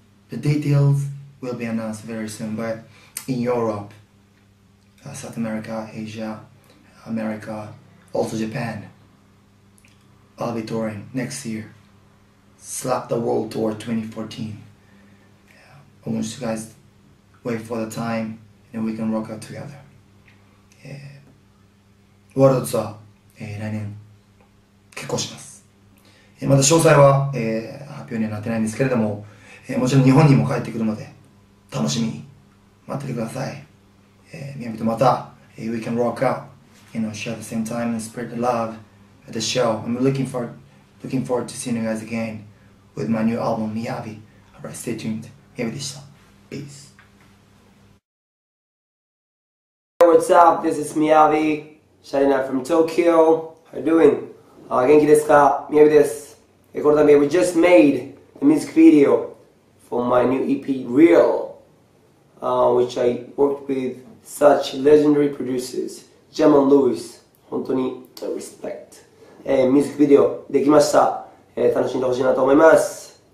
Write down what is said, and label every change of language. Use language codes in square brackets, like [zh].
[en] The details will be announced very soon, but in Europe, South America, Asia, America, also Japan, I'll be touring next year. Slap the World Tour 2014. I want you guys to wait for the time and we can rock out together. [ja] ワールドツアー、来年結婚します。まだ詳細は、発表にはなってないんですけれども、もちろん日本にも帰ってくるので楽しみに待っててください。みやびとまた、 [en] We can rock out, share the same time and spread the love at the show. I'm looking forward to seeing you guys again with my new album MIYAVI. Alright, stay tuned. Here it is. Peace. What's up? This is MIYAVI. Shining out from Tokyo. How are you doing? [ja] 元気ですか？MIYAVI です。この度、 [en] We just made a music video for my new EP Real, which I worked with such legendary producers, Jam and Lewis. [ja] 本当に respect. ミュージックビデオできました。楽しんでほしいなと思います。